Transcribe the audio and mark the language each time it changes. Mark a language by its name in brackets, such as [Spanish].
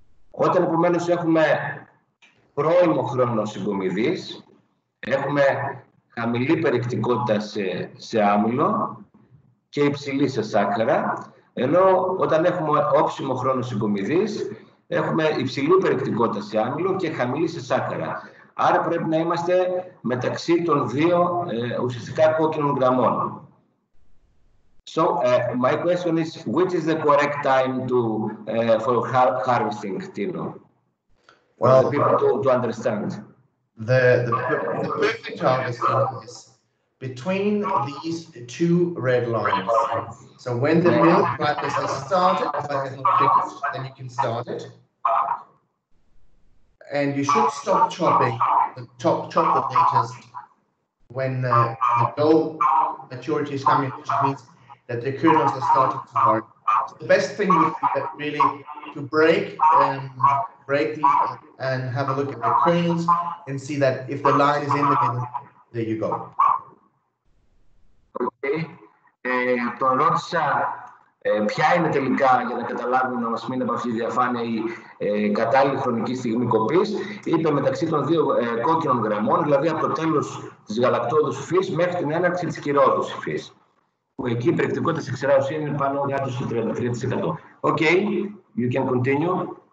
[Greek] Όταν επομένως έχουμε πρώιμο χρόνο συγκομιδής, έχουμε χαμηλή περιεκτικότητα σε άμυλο και υψηλή σε σάκχαρα, ενώ όταν έχουμε όψιμο χρόνο συγκομιδής, έχουμε υψηλή περιεκτικότητα σε άμυλο και χαμηλή σε σάκχαρα. Άρα πρέπει να είμαστε μεταξύ των δύο ουσιαστικά κόκκινων γραμμών. [English] So, my question is, which is the correct time to for harvesting, Tino? Well, for the people to understand. The perfect harvest time is between these two red lines. So when the milk ripeness has started, if it has not finished, then you can start it. And you should stop chopping the chop the latest when the dough maturity is coming, which means that the kernels are starting to harden. So the best thing would be that really to break these and have a look at the kernels and see that if the line is in the middle, there you go. Okay. [Greek] Τον ρώτησα ποια είναι τελικά, για να καταλάβουμε να μας μείνει από αυτή τη διαφάνεια η κατάλληλη χρονική στιγμή κοπής. Είπε μεταξύ των δύο κόκκινων γραμμών, δηλαδή από το τέλος της γαλακτόδους υφής μέχρι την έναρξη της κυρόδους υφής. Που εκεί η περιεκτικότητα σε ξηρά ουσία είναι πάνω για το 33%. [English] Οκ, you can continue.